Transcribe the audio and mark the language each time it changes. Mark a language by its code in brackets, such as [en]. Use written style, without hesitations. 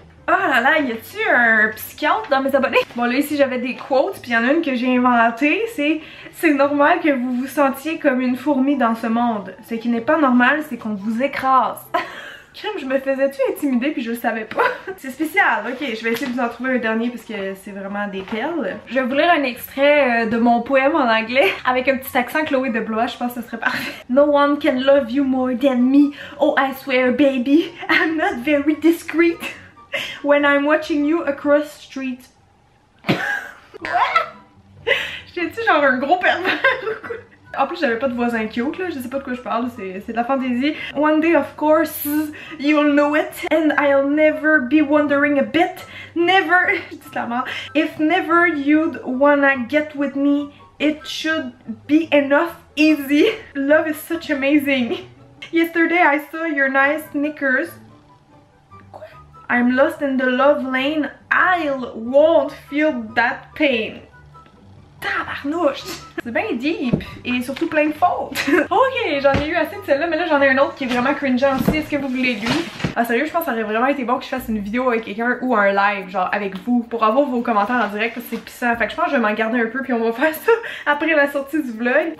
[fr] Oh là là, y a-tu un psychiatre dans mes abonnés? Bon là ici j'avais des quotes, puis y en a une que j'ai inventée, c'est normal que vous vous sentiez comme une fourmi dans ce monde. Ce qui n'est pas normal, c'est qu'on vous écrase. Crème, je me faisais-tu intimider puis je le savais pas? C'est spécial, ok, je vais essayer de vous en trouver un dernier parce que c'est vraiment des perles. Je vais vous lire un extrait de mon poème en anglais avec un petit accent Chloé de Blois, je pense que ce serait parfait. [en] No one can love you more than me, oh I swear baby, I'm not very discreet. When I'm watching you across the street. [fr] J'ai-tu genre un gros pervers ou quoi? En plus, j'avais pas de voisin cute, là. Je sais pas de quoi je parle, c'est de la fantaisie. [en] One day, of course, you'll know it, and I'll never be wondering a bit. Never, [fr] je dis clairement. [en] If never you'd wanna get with me, it should be enough easy. Love is such amazing. Yesterday, I saw your nice knickers. I'm lost in the love lane, I won't feel that pain. [fr] Tabarnouche! C'est bien deep et surtout plein de fautes. Ok, j'en ai eu assez de celle-là, mais là j'en ai un autre qui est vraiment cringeant aussi. Est-ce que vous voulez lui? Ah sérieux, je pense que ça aurait vraiment été bon que je fasse une vidéo avec quelqu'un ou un live, genre avec vous, pour avoir vos commentaires en direct, parce que c'est pissant. Fait que je pense que je vais m'en garder un peu puis on va faire ça après la sortie du vlog.